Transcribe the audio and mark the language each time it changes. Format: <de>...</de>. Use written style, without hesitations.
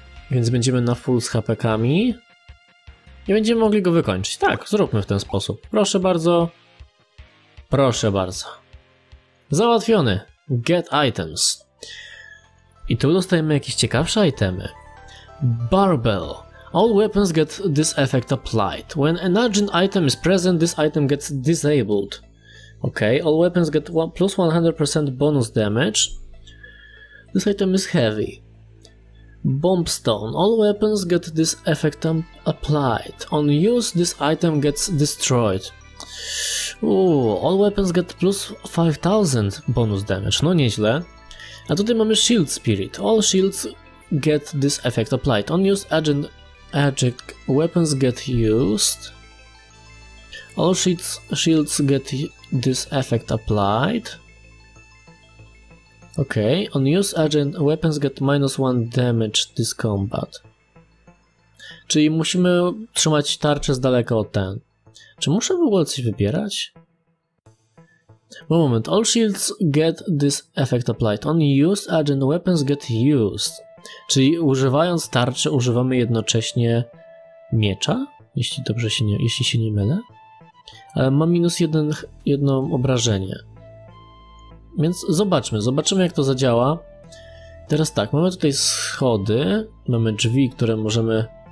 <pl>Więc będziemy na full z HP-kami. I będziemy mogli go wykończyć. Tak, zróbmy w ten sposób. Proszę bardzo. Proszę bardzo. Załatwiony.</pl> <en>Get items.</en> <pl>I tu dostajemy jakieś ciekawsze itemy.</pl> <en>Barbell. All weapons get this effect applied. When an urgent item is present, this item gets disabled. Ok, all weapons get plus 100% bonus damage. This item is heavy. Bombstone. All weapons get this effect applied. On use, this item gets destroyed. Ooh, all weapons get plus 5000 bonus damage.</en> <pl>No nieźle.</pl> <en>A tutaj mamy Shield Spirit. All shields get this effect applied. On use, agent weapons get used. All shields get this effect applied. Ok, on use agent weapons get minus 1 damage this combat.</en> <pl>Czyli musimy trzymać tarczę z daleka od ten. Czy muszę w ogóle coś wybierać?</pl> <en>Moment, all shields get this effect applied. On use agent weapons get used.</en> <pl>Czyli używając tarczy używamy jednocześnie miecza? Jeśli się nie mylę. Ale ma minus 1 obrażenie. Więc zobaczmy jak to zadziała. Teraz tak, mamy tutaj schody, mamy drzwi, które możemy...</pl>